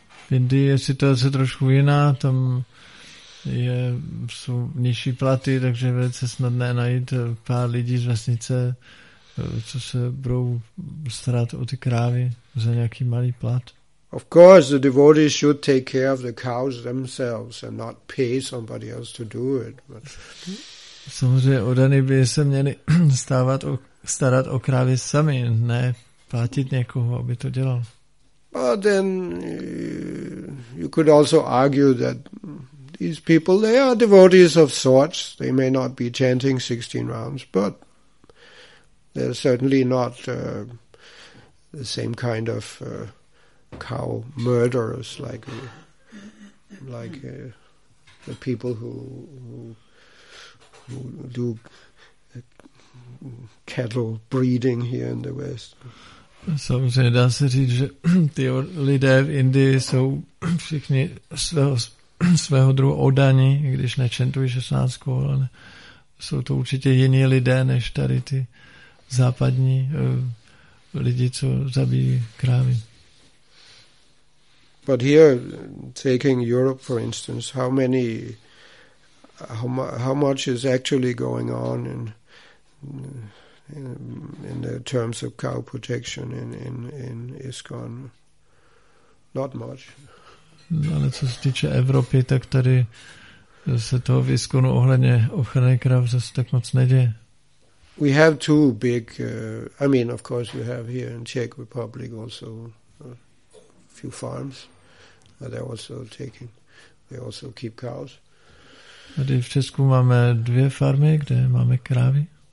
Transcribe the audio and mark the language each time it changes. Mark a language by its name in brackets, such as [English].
[Czech] v Indii je situace trošku jiná, tam jsou nižší platy, takže je velice snadné najít pár lidí z vesnice, co se budou starat o ty krávy za nějaký malý plat. [English] Of course, the devotees should take care of the cows themselves and not pay somebody else to do it. But [Czech] samozřejmě oddaní by se měli starat o krávy sami, ne platit někoho, aby to dělal. [English] But then you could also argue that these people, they are devotees of sorts. They may not be chanting 16 rounds, but they're certainly not the same kind of cow murderers like the people who do cattle breeding here in the West. [Czech] Samozřejmě dá se říct, že ty lidé v Indii jsou všichni svého druhu oddaní, i když nečentují 16 kol, ale jsou to určitě jiní lidé než tady ty západní lidi, co zabijí krávy. [English] But here, taking Europe for instance, how much is actually going on in the terms of cow protection in ISKCON? Not much. [Czech] Ale co se týče Evropy, tak tady Zase toho výzkumu ohledně ochrany krav zase tak moc neděje. [English] We have two big, I mean, of course, you have here in Czech Republic also a few farms that they also taking. They also keep cows. [Czech] Tady v Česku máme dvě farmy, kde máme krávy.